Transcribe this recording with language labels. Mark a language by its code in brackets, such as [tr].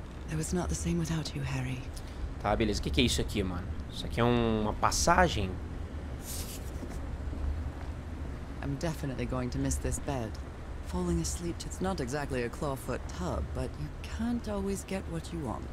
[en] It was not the same without you, Harry. [pt] Tá, beleza. O que, que é isso aqui, mano? Isso aqui é uma passagem? [en] I'm definitely going to miss this bed. Falling asleep, it's not exactly a clawfoot tub, but you can't always get what you want.